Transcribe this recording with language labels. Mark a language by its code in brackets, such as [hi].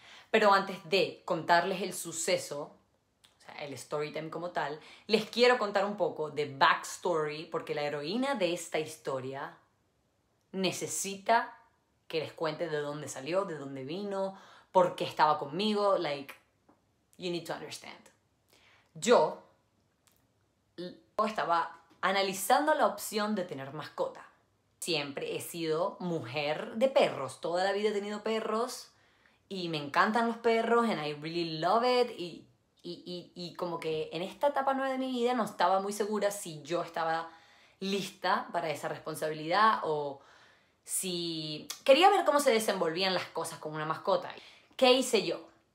[es] Pero antes de contarles el suceso, o sea, el story time como tal, les quiero contar un poco de backstory porque la heroína de esta historia necesita que les cuente de dónde salió, de dónde vino, por qué estaba conmigo. [en] Like, you need to understand. [es] Yo estaba analizando la opción de tener mascota. Siempre he sido mujer de perros. Toda la vida he tenido perros. Y me encantan los perros, [en] and I really love it. [es] Y como que en esta etapa nueva de mi vida no estaba muy segura si yo estaba lista para esa responsabilidad o si quería ver cómo se desenvolvían las cosas con una mascota. ¿Qué hice yo?